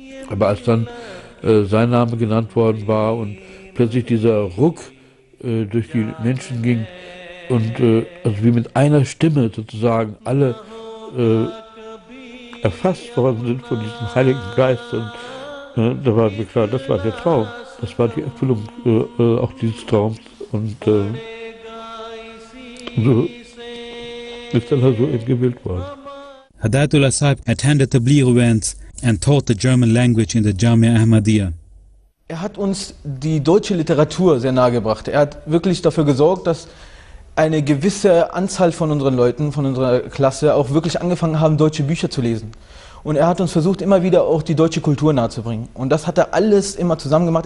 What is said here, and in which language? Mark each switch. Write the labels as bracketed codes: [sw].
[de] Aber als dann sein Name genannt worden war und plötzlich dieser Ruck durch die Menschen ging und also wie mit einer Stimme sozusagen alle erfasst worden sind von diesem Heiligen Geist, und da war mir klar, das war der Traum. Das war die Erfüllung auch dieses Traums. Und so ist dann also eben gewählt worden. [en] Hadayatullah Sahib attended the Tabligh events and taught the German language in the Jamia Ahmadiyya. [de] Er hat uns die deutsche Literatur sehr nahe gebracht. Er hat wirklich dafür gesorgt, dass eine gewisse Anzahl von unseren Leuten, von unserer Klasse, auch wirklich angefangen haben, deutsche Bücher zu lesen. Und er hat uns versucht, immer wieder auch die deutsche Kultur nahezubringen. Und das hat er alles immer zusammen gemacht.